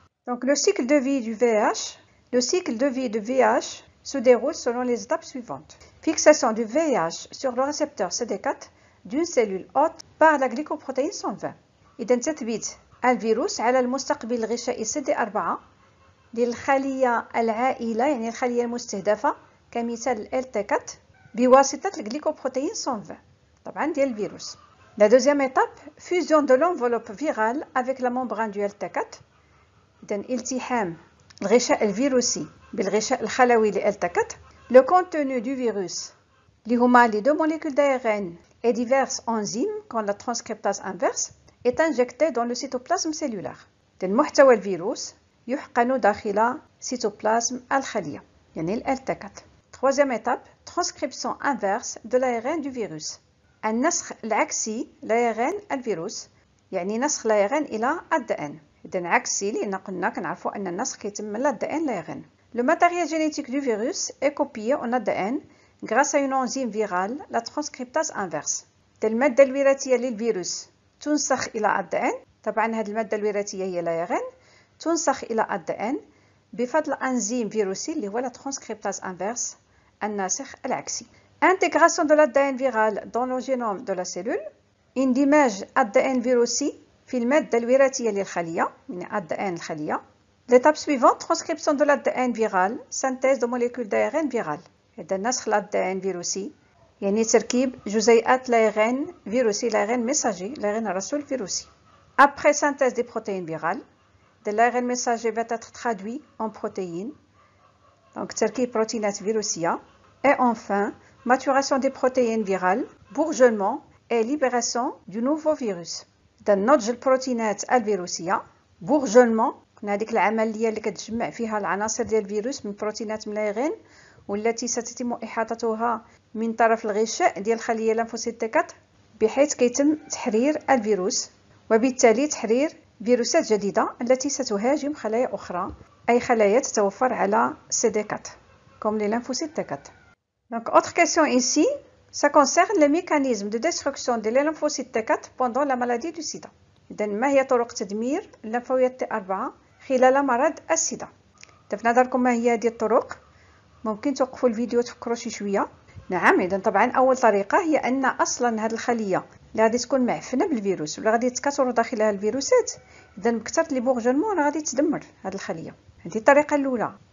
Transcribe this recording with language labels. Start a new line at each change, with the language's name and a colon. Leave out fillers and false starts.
French: دونك لو سيكل دو في دو في اتش، لو سيكل دو في دو في اتش سو ديرول سولون لي ستاب سويفونت: فيكساسيون دو في اتش سور لو ريسبتور سي دي 4 d'une cellule hôte par la glycoprotéine 120.
Arabic: إذن تثبيت الفيروس على المستقبل الغشائي CD4 للخلية العائلة يعني الخلية المستهدفة كمثال LT4 بواسطة الجليكوبروتين 120 طبعا ديال الفيروس.
French: La deuxième étape, fusion de l'enveloppe virale avec la membrane du LT4.
Arabic: إذن التحام الغشاء الفيروسي بالغشاء الخلوي ل LT4.
French: Le contenu du virus
Arabic: اللي هما
French: لي دو موليكول d'ARN et diverses enzymes comme la transcriptase inverse est injecté dans le cytoplasme cellulaire. Donc, le
Arabic: محتوى الفيروس يحقن داخل سيتوبلازم الخلية يعني LT4.
French: Troisième étape, transcription inverse de l'ARN du virus.
Arabic: النسخ العكسي لARN الفيروس يعني نسخ لARN الى ADN. Donc, عكسي لان قلنا كنعرفوا ان النسخ كيتم من ADN لARN.
French: Le matériel génétique du virus est copié en ADN grâce à une enzyme virale, la transcriptase inverse.
Arabic: المادة الوراثية للفيروس تنسخ إلى ADN. طبعاً هذه المادة الوراثية هي الARN تنسخ إلى ADN بفضل انزيم فيروسي اللي هو
French: la transcriptase inverse
Arabic: الناسخ العكسي.
French: Intégration de l'ADN viral dans le génome de la cellule.
Arabic: اندماج ADN فيروسي في المادة الوراثية للخلية من ADN الخلية.
French: L'étape suivante, transcription de l'ADN viral, synthèse de molécules d'ARN viral.
Arabic: هذا نسخ الADN فيروسي يعني تركيب جزيئات الARN فيروسي الARN ميساجي الARN الرسول فيروسي.
French: Après synthèse des protéines virales, de l'ARN messager va être traduit en protéines, donc
Arabic: تركيب بروتينات فيروسية.
French: Et enfin, maturation des protéines virales, bourgeonnement et libération du nouveau virus.
Arabic: هذا نضج البروتينات الفيروسية bourgeonnement هذيك العملية اللي كتجمع فيها العناصر ديال الفيروس من بروتينات من الARN والتي ستتم إحاطتها من طرف الغشاء ديال الخلية الليمفوسيتات بحيث كيتم تحرير الفيروس وبالتالي تحرير فيروسات جديدة التي ستهاجم خلايا أخرى أي خلايا تتوفر على CD4 كوم الليمفوسيتات.
French: دونك اوتر كيسيون ici ça concerne le mécanisme de destruction des lymphocytes pendant la maladie du sida.
Arabic: إذن ما هي طرق تدمير الليمفويات T4 خلال مرض السيدا؟ في نظركم ما هي هذه الطرق؟ ممكن توقفوا الفيديو وتفكروا شي شويه. نعم، اذا طبعا اول طريقه هي ان اصلا هذه الخليه اللي غادي تكون معفنه بالفيروس ولا غادي تكاثر داخلها الفيروسات، اذا بكثره لي بورجونمون راه غادي تدمر هذه الخليه. هذه الطريقه الاولى.